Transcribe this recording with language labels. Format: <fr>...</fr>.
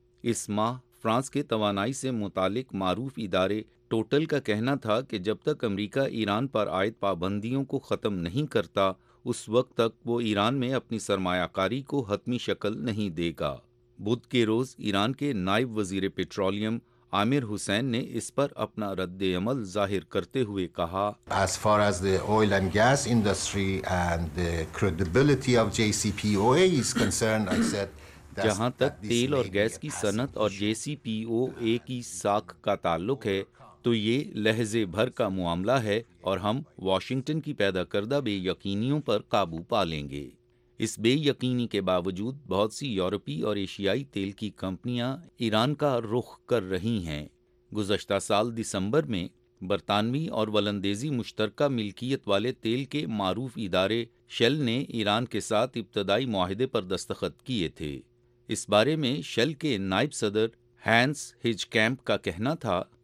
<ur>اس ماہ فرانس کے توانائی سے متعلق معروف ادارے ٹوٹل کا کہنا تھا کہ جب تک امریکہ ایران پر عائد پابندیوں کو ختم نہیں کرتا، اس وقت تک وہ ایران میں اپنی سرمایہ کاری کو حتمی شکل نہیں دے گا۔ بدھ کے روز ایران کے نائب وزیر پیٹرولیم عامر حسین نے اس پر اپنا رد عمل ظاہر کرتے ہوئے کہا،</ur> <en>As far as the oil and gas industry and the credibility of JCPOA is concerned, I said,</en> <ur>جہاں تک تیل اور گیس کی صنعت اور جے سی پی او اے کی ساکھ کا تعلق ہے تو یہ لحظے بھر کا معاملہ ہے، اور ہم واشنگٹن کی پیدا کردہ بے یقینیوں پر قابو پا لیں گے۔ اس بے یقینی کے باوجود بہت سی یورپی اور ایشیائی تیل کی کمپنیاں ایران کا رخ کر رہی ہیں۔ گزشتہ سال دسمبر میں برطانوی اور ولندیزی مشترکہ ملکیت والے تیل کے معروف ادارے شیل نے ایران کے ساتھ ابتدائی معاہدے پر دستخط کیے تھے۔ اس بارے میں شیل کے نائب صدر ہینس ہج کیمپ کا کہنا تھا،</ur>